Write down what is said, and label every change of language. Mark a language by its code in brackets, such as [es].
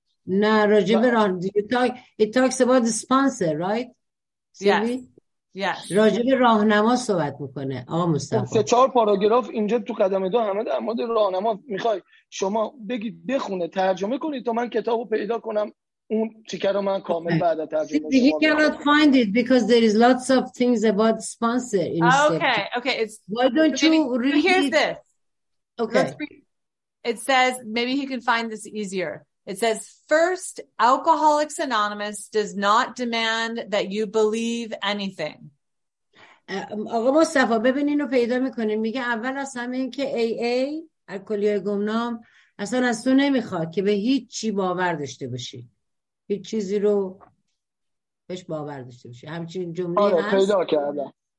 [fa] نه راجب راه [en] it talks about the sponsor right سیلوی yes. [fa] راجب راهنما صحبت میکنه آقا مصطفی. سه چهار پاراگراف اینجا تو قدم دو همه در مورد راهنما. میخوای شما بگید بخونه ترجمه کنید تا من کتابو پیدا کنم اون تیکر رو من کامل بعد ترجمه. [en] He cannot find it because there is lots of things about sponsor in step. Okay, it's why don't you read here's it? This. Okay. It says maybe he can find this easier. It says, first, Alcoholics Anonymous does not demand that you believe anything. [fa] آقا مصطفی ببین اینو پیدا میکنین. میگه اول از همه این که AA الکلی گمنام اصلا از تو نمیخواد که به هیچ چی باور داشته باشی. هیچ چیزی رو بهش باور داشته باشی. همچین جمله آره، هست. آره پیدا کردم.